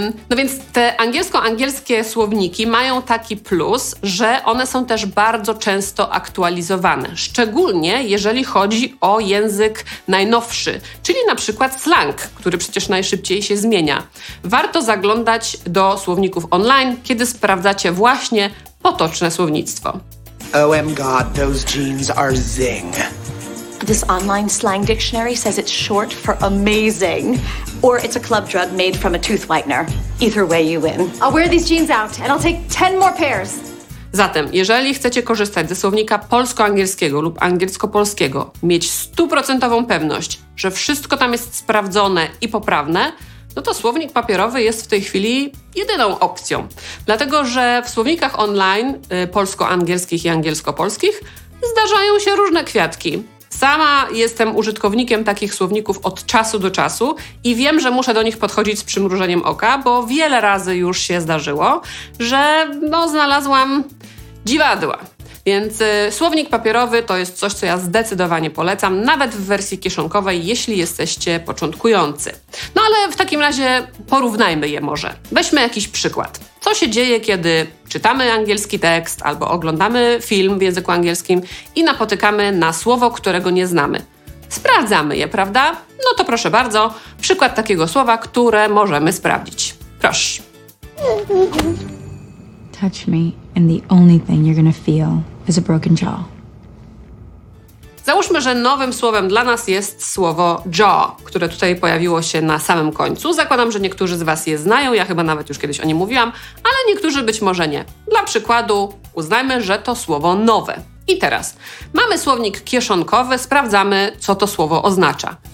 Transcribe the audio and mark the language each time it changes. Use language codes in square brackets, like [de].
[pl] No więc te angielsko-angielskie słowniki mają taki plus, że one są też bardzo często aktualizowane. Szczególnie jeżeli chodzi o język najnowszy, czyli na przykład slang, który przecież najszybciej się zmienia. Warto zaglądać do słowników online, kiedy sprawdzacie właśnie potoczne słownictwo. [en] Oh my god, those jeans are zing. This online slang dictionary says it's short for amazing, or it's a club drug made from a tooth whitener. Either way, you win. I'll wear these jeans out and I'll take 10 more pairs. [pl] Zatem, jeżeli chcecie korzystać ze słownika polsko-angielskiego lub angielsko-polskiego, mieć 100% pewność, że wszystko tam jest sprawdzone i poprawne, no to słownik papierowy jest w tej chwili jedyną opcją. Dlatego, że w słownikach online polsko-angielskich i angielsko-polskich zdarzają się różne kwiatki. Sama jestem użytkownikiem takich słowników od czasu do czasu i wiem, że muszę do nich podchodzić z przymrużeniem oka, bo wiele razy już się zdarzyło, że no, znalazłam dziwadła. Więc słownik papierowy to jest coś, co ja zdecydowanie polecam, nawet w wersji kieszonkowej, jeśli jesteście początkujący. No ale w takim razie porównajmy je może. Weźmy jakiś przykład. Co się dzieje, kiedy czytamy angielski tekst albo oglądamy film w języku angielskim i napotykamy na słowo, którego nie znamy? Sprawdzamy je, prawda? No to proszę bardzo, przykład takiego słowa, które możemy sprawdzić. Proszę. [en] Touch me and the only thing you're gonna feel is a broken jaw. [pl] Załóżmy, że nowym słowem dla nas jest słowo jaw, które tutaj pojawiło się na samym końcu. Zakładam, że niektórzy z Was je znają, ja chyba nawet już kiedyś o nim mówiłam, ale niektórzy być może nie. Dla przykładu uznajmy, że to słowo nowe. I teraz mamy słownik kieszonkowy, sprawdzamy, co to słowo oznacza.